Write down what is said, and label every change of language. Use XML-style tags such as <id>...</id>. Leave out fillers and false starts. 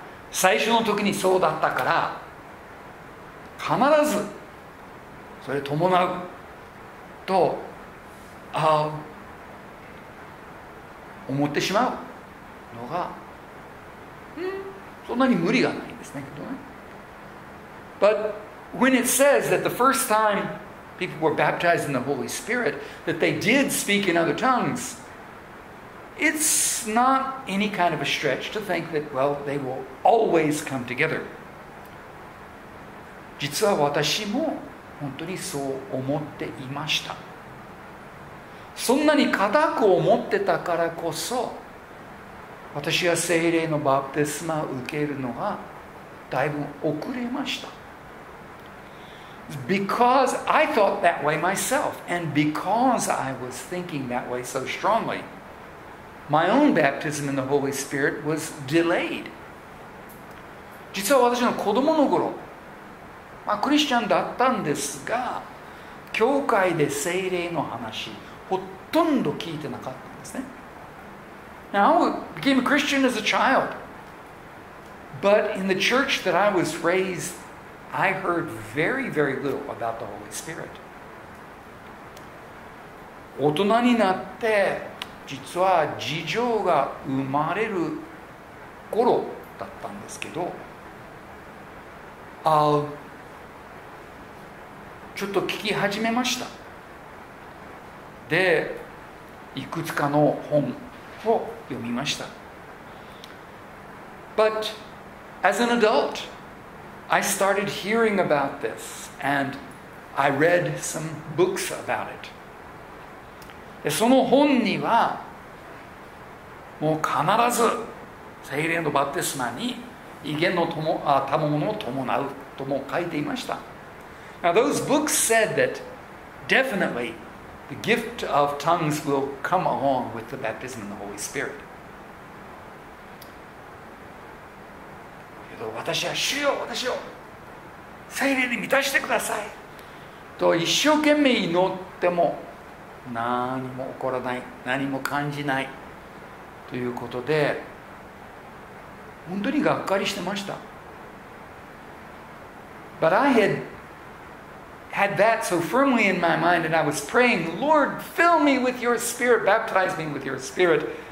<ja>最初の時にそうだったから必ずそれ伴うと思ってしまうのが、そんなに無理がないんですね、けどね。</ja> <en>But when it says that the first time people were baptized in the Holy Spirit, that they did speak in other tongues, it's not any kind of a stretch to think that, well, they will always come together.</en> <ja>実は私も本当にそう思っていました。そんなに固く思ってたからこそ、私は聖霊のバプテスマを受けるのがだいぶ遅れました。</ja> <en>Because I thought that way myself, and because I was thinking that way so strongly, my own baptism in the Holy Spirit was delayed.</en> <ja>実は私の子供の頃、クリスチャンだったんですが、教会で聖霊の話、ほとんど聞いてなかったんですね。</ja> <en>Now, I became a Christian as a child. But in the church that I was raised, I heard very, very little about the Holy Spirit.</en> <ja>大人になって、実は事情が生まれる頃だったんですけど、ちょっと聞き始めました。で、いくつかの本を読みました。</ja> <en>But as an adult, I started hearing about this and I read some books about it.</en> <ja>その本にはもう必ず聖霊のバプテスマに異言のたまものを伴うとも書いていました。</ja> <en>Now those books said that definitely the gift of tongues will come along with the baptism in the Holy Spirit.</en> <ja>私は主よ、私を聖霊に満たしてくださいと一生懸命祈っても何も起こらない、何も感じないということで本当にがっかりしてました。</ja> <en>But I had that so firmly in my mind and I was praying, Lord, fill me with your spirit, baptize me with your spirit.</en>